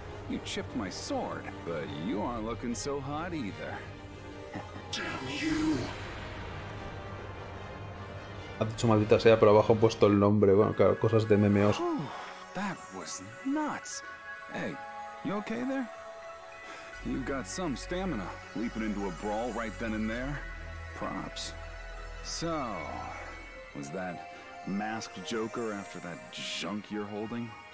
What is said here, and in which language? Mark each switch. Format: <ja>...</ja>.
<en>You chipped my sword, but you aren't looking so hot either. Damn you.</en> <es>Ha dicho maldita sea, pero abajo he puesto el nombre. Bueno, claro, cosas de MMOs.</es> <en>was nuts. Hey, you okay there? You've got some stamina, leaping into a brawl right then and there. Props. So, was that masked Joker after that junk you're holding?</en>